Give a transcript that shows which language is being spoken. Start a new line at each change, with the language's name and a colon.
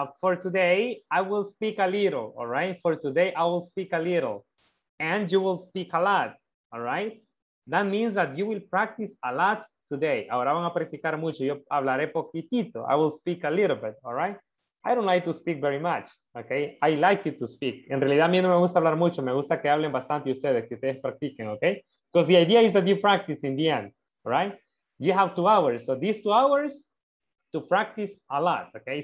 English: For today, I will speak a little, all right? For today, I will speak a little. And you will speak a lot, all right? That means that you will practice a lot today.
Spanish: Ahora van a practicar mucho. Yo hablaré poquitito.
English: I will speak a little bit, all right? I don't like to speak very much, okay? I like you to speak.
Spanish: En realidad, a mí no me gusta hablar mucho. Me gusta que hablen bastante ustedes, que ustedes practiquen, okay?
English: Because the idea is that you practice in the end, all right? You have 2 hours. So these 2 hours to practice a lot, okay?